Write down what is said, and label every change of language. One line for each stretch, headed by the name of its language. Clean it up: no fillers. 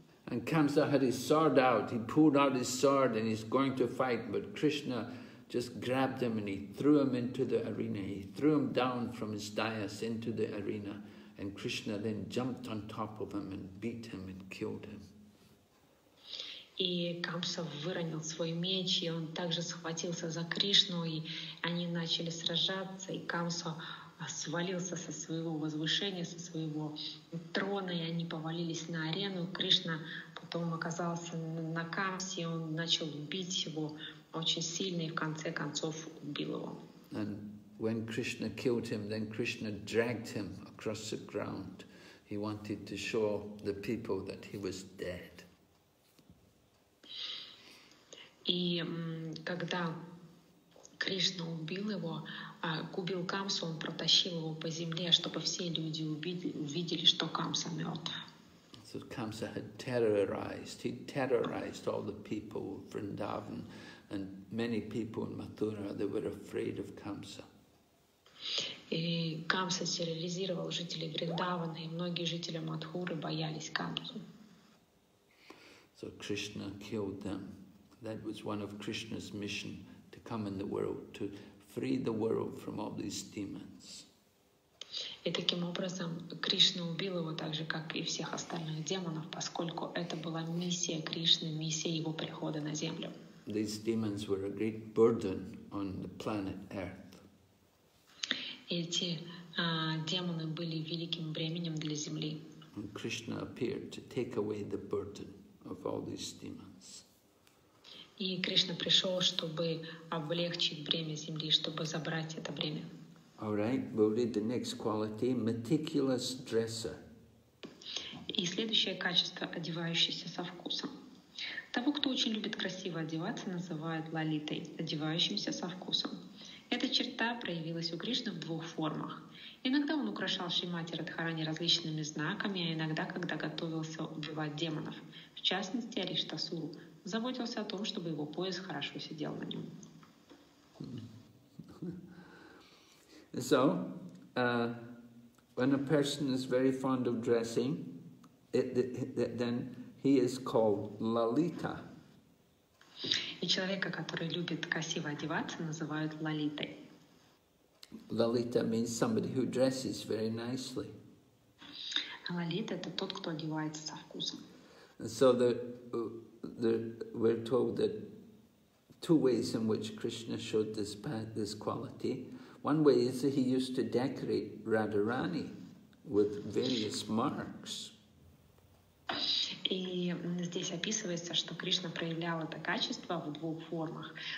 English: And Kamsa had his sword out, he pulled out his sword and he's going to fight, but Krishna just grabbed him and he threw him into the arena, he threw him down from his dais into the arena, and Krishna then jumped on top of him and beat him and killed him.
Russian: И Камса выронил свой меч, и он также схватился за Кришну, и они начали сражаться, и Камса свалился со своего возвышения, со своего трона, и они повалились на арену. Кришна потом оказался на Камсе, и он начал бить его очень сильно, и в конце концов убил его.
English: And when Krishna killed him, then Krishna dragged him across the ground. He wanted to show the people that he was dead.
Russian: И когда Кришна убил его, убил Камсу, он протащил его по земле, чтобы все люди увидели, что Камса мертв.
English: So Kamsa had terrorized. He terrorized all the people of Vrindavan and many people in Mathura. They were afraid of Kamsa.
Russian: И Камса терроризировал жителей Вриндавана, и многие жители Мадхуры боялись Камсу.
English: So Krishna killed them. That was one of Krishna's mission. Come in the world to free the world from all these demons.
Russian: И таким образом Кришна убил его так же, как и всех остальных демонов, поскольку это была миссия Кришны, миссия его прихода на землю.
English: These demons were a great burden on the planet Earth.
Russian: Эти демоны были великим бременем для земли.
English: And Krishna appeared to take away the burden of all these demons.
Russian: И Кришна пришел, чтобы облегчить бремя земли, чтобы забрать это бремя.
English: All right, we'll read the next quality, meticulous dresser.
Russian: И следующее качество, одевающийся со вкусом. Того, кто очень любит красиво одеваться, называют лалитой, одевающимся со вкусом. Эта черта проявилась у Кришны в двух формах. Иногда он украшал Шримати Радхарани различными знаками, а иногда, когда готовился убивать демонов, в частности, Ариштасуру, заботился о том, чтобы его пояс хорошо сидел на нем.
English: So, when a person is very fond of dressing, then he is called Lalita.
Russian: И человека, который любит красиво одеваться, называют лалитой.
English: Lalita means somebody who dresses very nicely.
Russian: Лалита — это тот, кто одевается со вкусом.
English: So the we're told that two ways in which Krishna showed this quality. One way is that he used to decorate Radharani with various marks.
Russian: И здесь описывается, что Кришна проявлял это качество в двух формах.